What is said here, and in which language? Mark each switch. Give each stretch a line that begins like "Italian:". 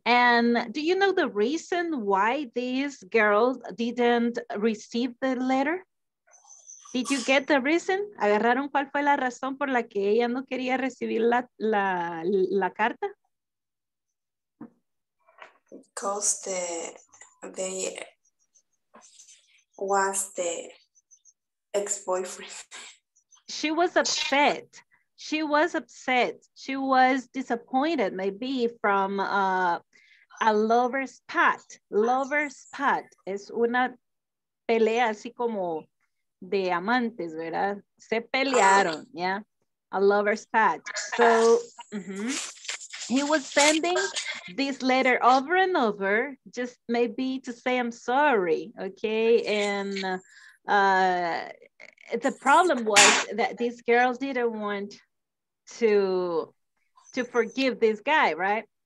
English: And do you know the reason why these girls didn't receive the letter? Did you get the reason?
Spanish: ¿Agarraron cuál fue la razón por la que ella no quería recibir la, la carta?
English: Because they was the ex-boyfriend. She was upset. She was upset. She was disappointed, maybe from a lover's pact.
Spanish: Lover's pact es una pelea así como de amantes, ¿verdad? Se pelearon,
English: yeah. A lover's pact. So he was sending this letter over and over, just maybe to say I'm sorry, okay, and. The problem was that these girls didn't want to forgive this guy, right?